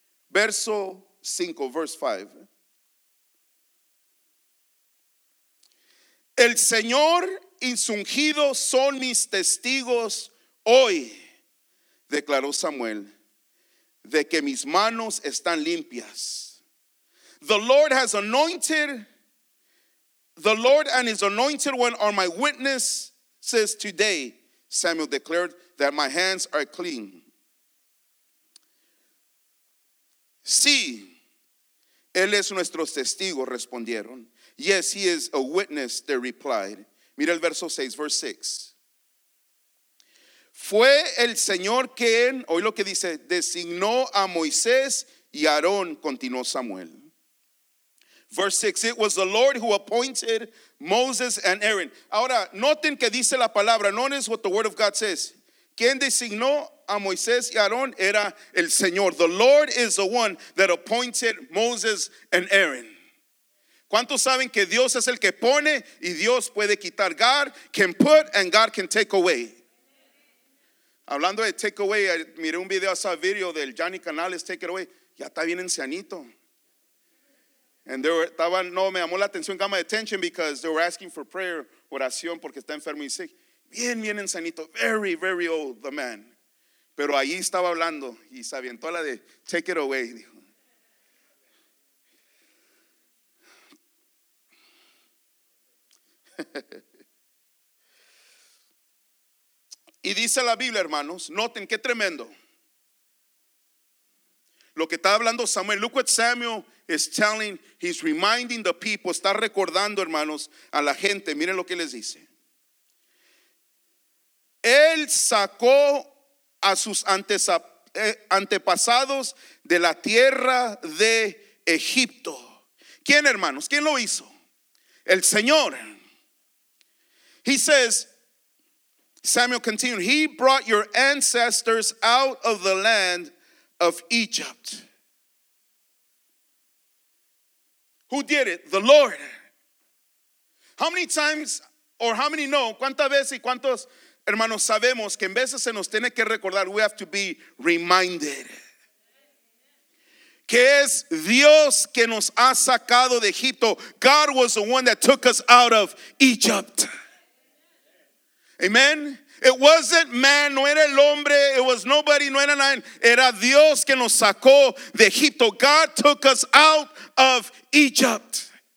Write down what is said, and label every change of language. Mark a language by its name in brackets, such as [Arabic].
[Spanish] Verso 5, [English] verse 5. [Spanish] El Señor y su ungido son mis testigos hoy, declaró Samuel, de que mis manos están limpias. [English] The Lord has anointed, the Lord and his anointed one are my witnesses today, Samuel declared, that my hands are clean. [Spanish] Sí, él es nuestro testigo, respondieron. [English] Yes, he is a witness, they replied. [Spanish] Mira el verso 6, [English] verse 6. [Spanish] Fue el Señor quien, oí lo que dice, designó a Moisés y Aarón, continuó Samuel. [English] Verse 6, it was the Lord who appointed Moses and Aaron. [Spanish] Ahora, noten que dice la palabra, [English] notice what the word of God says. [Spanish] ¿Quién designó a Moisés y Aarón? Era el Señor. [English] The Lord is the one that appointed Moses and Aaron. [Spanish] ¿Cuántos saben que Dios es el que pone y Dios puede quitar? [English] God can put and God can take away. [Spanish] Hablando de [English] take away, [Spanish] miré un video, ese video del Johnny Canales, [English] take it away. [Spanish] Ya está bien ancianito. [English] And they were, [Spanish] estaban, no, me llamó la atención, [English] got my attention because they were asking for prayer, [Spanish] oración, porque está enfermo y [English] sick. [Spanish] Bien, bien ancianito, [English] very, very old, the man. [Spanish] Pero ahí estaba hablando y se avientó la de, [English] take it away, [Spanish] dijo. Y dice la Biblia, hermanos, noten qué tremendo. Lo que está hablando Samuel, [English] look what Samuel is telling, he's reminding the people, [Spanish] está recordando, hermanos, a la gente, miren lo que les dice. Él sacó a sus antepasados de la tierra de Egipto. ¿Quién, hermanos? ¿Quién lo hizo? El Señor. [English] He says, Samuel continued, he brought your ancestors out of the land of Egypt. Who did it? The Lord. How many times, or how many know, [Spanish] cuántas veces y cuántos, hermanos, sabemos que en veces se nos tiene que recordar, [English] we have to be reminded, [Spanish] que es Dios que nos ha sacado de Egipto. [English] God was the one that took us out of Egypt. Amen. It wasn't man, [Spanish] no era el hombre, [English] it was nobody, [Spanish] no era nadie. Era Dios que nos sacó de Egipto. [English] God took us out of Egypt.